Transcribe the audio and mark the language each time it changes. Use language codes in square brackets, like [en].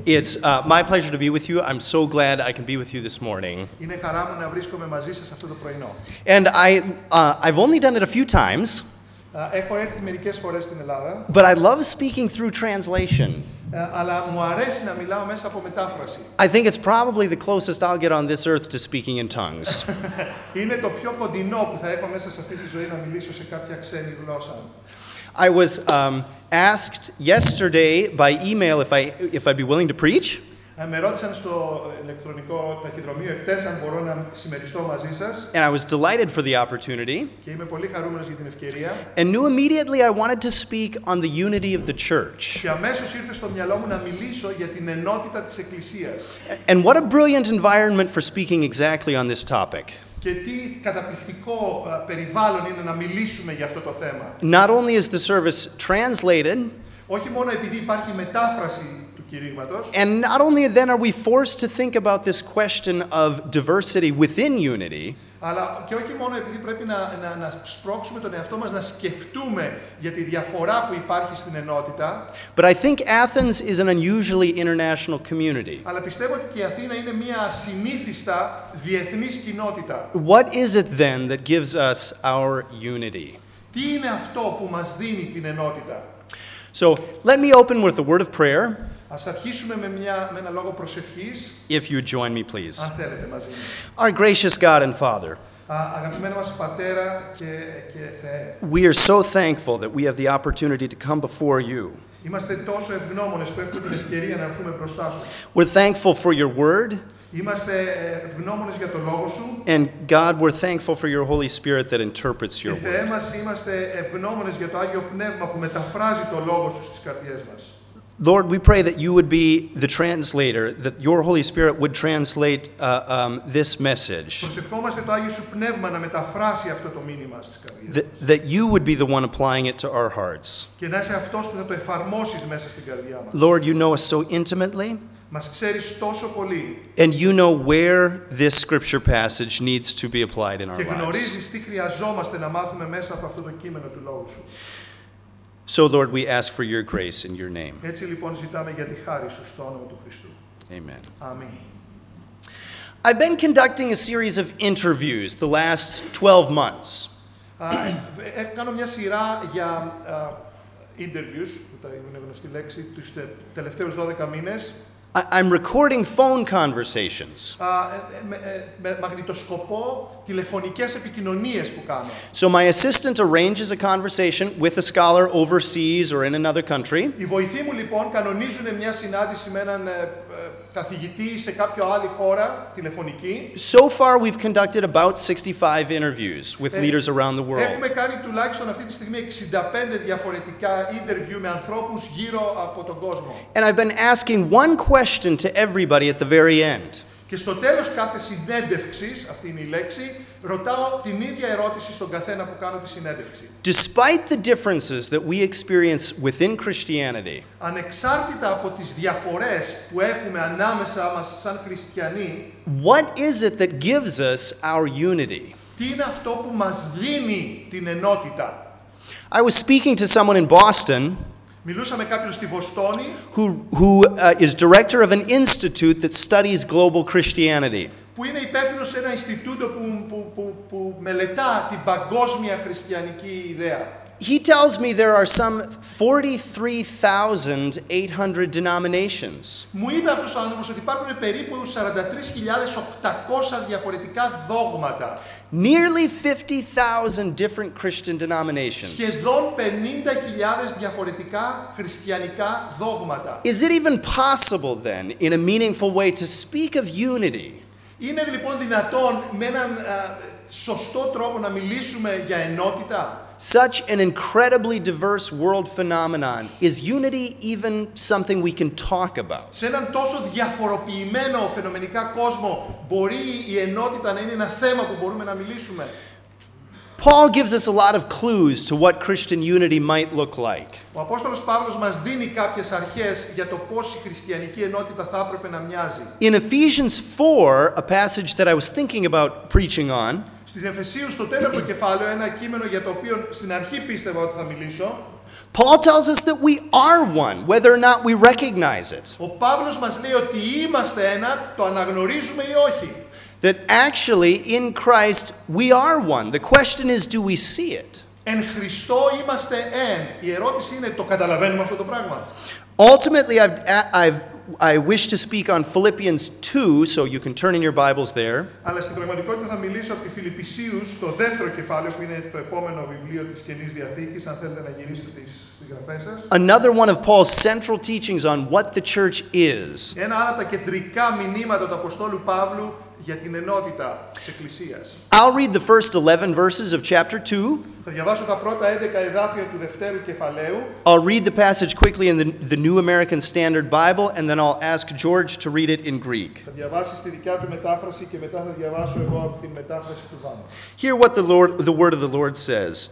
[en] It's my pleasure to be with you. I'm so glad I can be with you this morning. [el] Είναι χαρά μου να βρίσκομαι μαζί σας αυτό το πρωινό. [en] And I've only done it a few times. [el] Έχω έρθει μερικές φορές στην Ελλάδα. [en] But I love speaking through translation. [el] Αλλά μου αρέσει να μιλάω μέσα από μετάφραση. [en] I think it's probably the closest I'll get on this earth to speaking in tongues. [el] Είναι το πιο κοντινό που θα έχω μέσα σε αυτή τη ζωή να μιλήσω σε κάποια ξένη γλώσσα. [en] I was asked yesterday by email if I'd be willing to preach. [el] Με ρώτησαν στο ηλεκτρονικό ταχυδρομείο εχθές αν μπορώ να συμμεριστώ μαζί σας. [en] And I was delighted for the opportunity. [el] Και είμαι πολύ χαρούμενος για την ευκαιρία. [en] And knew immediately I wanted to speak on the unity of the church. [el] Και αμέσως ήρθε στο μυαλό μου να μιλήσω για την ενότητα της εκκλησίας. [en] And what a brilliant environment for speaking exactly on this topic. [el] Και τι καταπληκτικό περιβάλλον είναι να μιλήσουμε για αυτό το θέμα. [en] Not only is the service translated. [el] Όχι μόνο επειδή υπάρχει μετάφραση. [en] And not only then are we forced to think about this question of diversity within unity. [el] Αλλά και όχι μόνο επειδή πρέπει να σπρώξουμε τον εαυτό μας να σκεφτούμε για τη διαφορά που υπάρχει στην ενότητα. [en] But I think Athens is an unusually international community. [el] Αλλά πιστεύω ότι η Αθήνα είναι μια ασυνήθιστα διεθνής κοινότητα. [en] What is it then that gives us our unity? [el] Τι είναι αυτό που μας δίνει την ενότητα? [en] So let me open with a word of prayer. [el] Ας αρχίσουμε με ένα λόγο προσευχής. [en] If you join me, please. [el] Αν θέλετε μαζί. [en] Our gracious God and Father. [el] Αγαπημένο μας Πατέρα και Θεέ. [en] We are so thankful that we have the opportunity to come before you. [el] Είμαστε τόσο ευγνώμονες που έχουμε την ευκαιρία να έρθουμε μπροστά σου. [en] We're thankful for your word. [el] Είμαστε ευγνώμονες για το λόγο σου. [en] And God, we're thankful for your Holy Spirit that interprets your word. [el] Θεέ μας, είμαστε ευγνώμονες για το Άγιο Πνεύμα που μεταφράζει το λόγο σου στις καρδιές μας. [en] Lord, we pray that you would be the translator, that your Holy Spirit would translate this message. [el] Προσευχόμαστε το Άγιο σου Πνεύμα να μεταφράσει αυτό το μήνυμα στις καρδιές μας. [en] That you would be the one applying it to our hearts. [el] Και να είσαι αυτός που θα το εφαρμόσεις μέσα στην καρδιά μας. [en] Lord, you know us so intimately. [el] Μας ξέρεις τόσο πολύ. [en] And you know where this scripture passage needs to be applied in our lives. [el] Και γνωρίζεις τι χρειαζόμαστε να μάθουμε μέσα από αυτό το κείμενο του λόγου σου. [en] So, Lord, we ask for your grace in your name. [el] Έτσι λοιπόν ζητάμε για τη χάρη σου στο όνομα του Χριστού. [en] Amen. Amen. I've been conducting a series of interviews the last 12 months. [el] Κάνω μια σειρά για interviews, που τα είναι γνωστή λέξη, τους τελευταίους 12 μήνες. [en] I'm recording phone conversations. [el] Μαγνητοσκοπώ τηλεφωνικές επικοινωνίες που κάνω. [en] So my assistant arranges a conversation with a scholar overseas or in another country. [el] Οι βοηθοί μου λοιπόν κανονίζουν μια συνάντηση με έναν καθηγητή σε κάποια άλλη χώρα τηλεφωνική. [en] So far we've conducted about 65 interviews with leaders around the world. [el] Έχουμε κάνει τουλάχιστον αυτή τη στιγμή 65 διαφορετικά interview με ανθρώπους γύρω από τον κόσμο. [en] And I've been asking one question to everybody at the very end. [el] Και στο τέλος κάθε συνέντευξης, αυτή είναι η λέξη, ρωτάω την ίδια ερώτηση στον καθένα που κάνω τη συνέντευξη. [en] Despite the differences that we experience within Christianity, [el] ανεξάρτητα από τις διαφορές που έχουμε ανάμεσα μας σαν χριστιανοί, [en] what is it that gives us our unity? [el] Τι είναι αυτό που μας δίνει την ενότητα? [en] I was speaking to someone in Boston. [el] Μιλούσαμε κάποιον στη Βοστόνη, [en] who is director of an institute that studies global Christianity. [el] Που είναι υπεύθυνος σε ένα ινστιτούτο που μελετά την παγκόσμια χριστιανική ιδέα. [en] He tells me there are some 43,800 denominations. [el] Μου είπε αυτός ο άνθρωπος ότι υπάρχουν περίπου 43,800 διαφορετικά δόγματα. [en] Nearly 50,000 different Christian denominations. [el] Σχεδόν 50,000 διαφορετικά χριστιανικά δόγματα. [en] Is it even possible then, in a meaningful way, to speak of unity? [el] Είναι λοιπόν δυνατόν με έναν σωστό τρόπο να μιλήσουμε για ενότητα? [en] Such an incredibly diverse world phenomenon, is unity even something we can talk about? [el] Σε έναν τόσο διαφοροποιημένο φαινομενικά κόσμο, μπορεί η ενότητα να είναι ένα θέμα που μπορούμε να μιλήσουμε? [en] Paul gives us a lot of clues to what Christian unity might look like. [el] Ο Απόστολος Παύλος μας δίνει κάποιες αρχές για το πώς η χριστιανική ενότητα θα έπρεπε να μοιάζει. [en] In Ephesians 4, a passage that I was thinking about preaching on, [el] στις Εφεσίους, στο τέταρτο κεφάλαιο, ένα κείμενο για το οποίο στην αρχή πίστευα ότι θα μιλήσω. [en] Paul tells us that we are one, whether or not we recognize it. [el] Ο Παύλος μας λέει ότι είμαστε ένα, το αναγνωρίζουμε ή όχι. [en] That actually in Christ we are one. The question is, do we see it? [el] Εν Χριστώ είμαστε εν. Η ερώτηση είναι, το καταλαβαίνουμε αυτό το πράγμα. [en] Ultimately, I wish to speak on Philippians 2, so you can turn in your Bibles there. [el] Αλλά στην πραγματικότητα θα μιλήσω από τη Φιλιππησίους, το δεύτερο κεφάλαιο, που είναι το επόμενο βιβλίο της Καινής Διαθήκης, αν θέλετε να γυρίσετε τις γραφές σας. [en] Another one of Paul's central teachings on what the church is. [el] Ένα άλλο από τα κεντρικά μηνύματα του Αποστόλου Παύλου για την ενότητα της Εκκλησίας. [en] I'll read the first 11 verses of chapter 2. [el] Θα διαβάσω τα πρώτα 11 εδάφια του δεύτερου κεφαλαίου. [en] I'll read the passage quickly in the New American Standard Bible and then I'll ask George to read it in Greek. [el] Θα διαβάσεις τη δικιά του μετάφραση και μετά θα διαβάσω εγώ από τη μετάφραση του Βάμα. [en] Hear what the word of the Lord says.